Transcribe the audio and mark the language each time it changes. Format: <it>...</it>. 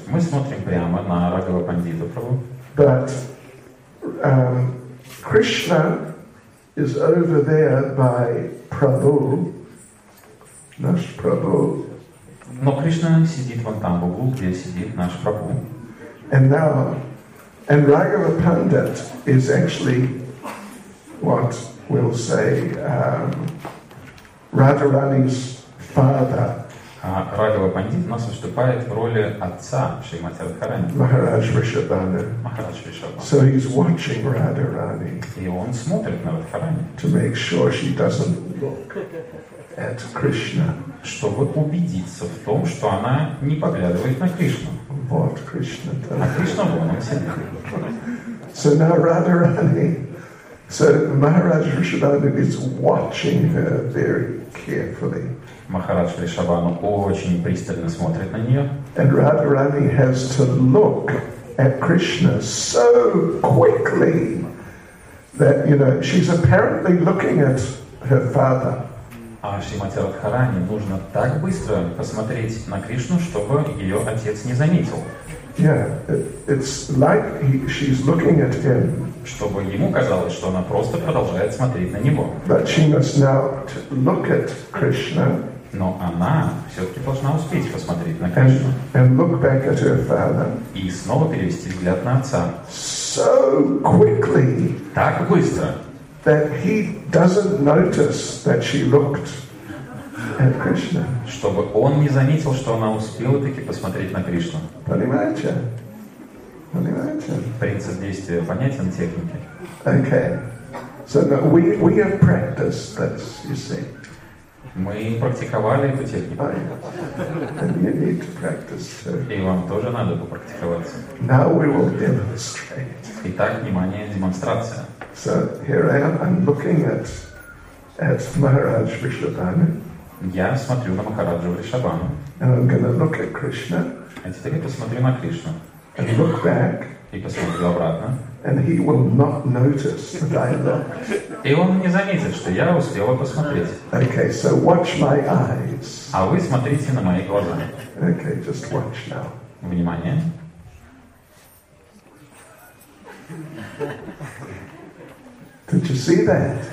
<ru>Мы смотрим прямо на Раghava Пандита Прабху.</ru> <en>But Krishna is over there by Prabhu.</en> <ru>Наш Прабху. Но Кришна сидит вон там, в углу, где сидит наш Прабху.</ru> <en>And Raghava Pandit is actually what we'll say Radharani's father.</en> <ru>Раghava Pandit нас выступает в роли отца Шримати Радхарани.</ru> <en>Махарадж Вришабана. So he's watching Radharani.</en> <ru>И он смотрит на Радхарани.</ru> <en>To make sure she doesn't look at Krishna.</en> <ru>Чтобы убедиться в том, что она не поглядывает на Кришну. Вот Кришна. А Кришна вон он сидит.</ru> <en>So now Radharani. So Maharaj Vrishabhanu is watching her very carefully.</en> <ru>Махарадж Вришабану очень пристально смотрит на нее.</ru> <en>And Radharani has to look at Krishna so quickly that, you know, she's apparently looking at her father.</en> <ru>А Шримати Радхарани нужно так быстро посмотреть на Кришну, чтобы ее отец не заметил.</ru> <en>Yeah, it's like she's looking at him.</en> <ru>Чтобы ему казалось, что она просто продолжает смотреть на него.</ru> <en>But she must now look at Krishna.</en> <ru>Но она все-таки должна успеть посмотреть на Кришну.</ru> <en>And look back at her father.</en> <ru>И снова перевести взгляд на отца.</ru> <en>So quickly.</en> <ru>Так быстро.</ru> <en>That he doesn't notice that she looked at Krishna.</en> <ru>Чтобы он не заметил, что она успела таки посмотреть на Кришну. Понимаете? Понимаете? Принцип действия понятен технике.</ru> <en>Okay. So we have practiced this, you see.</en> <ru>Мы практиковали эту технику.</ru> <en>And you need to practice too.</en> <ru>И вам тоже надо попрактиковаться.</ru> <en>Now we will demonstrate.</en> <ru>Итак, внимание, демонстрация.</ru> <en>So here I am, I'm looking at Maharaj Vrishabhanu.</en> <ru>Я смотрю на Махараджу Вришабану.</ru> <en>And I'm gonna look at Krishna.</en> <ru>А теперь я посмотрю на Кришну.</ru> <en>And look back.</en> <ru>И посмотрю обратно.</ru> <en>And he will not notice that I look.</en> <ru>И он не заметит, что я успел посмотреть.</ru> <en>Okay, so watch my eyes.</en> <ru>А вы смотрите на мои глаза.</ru> <en>Okay, just watch now.</en> <ru>Внимание.</ru> <en>Did you see that?</en>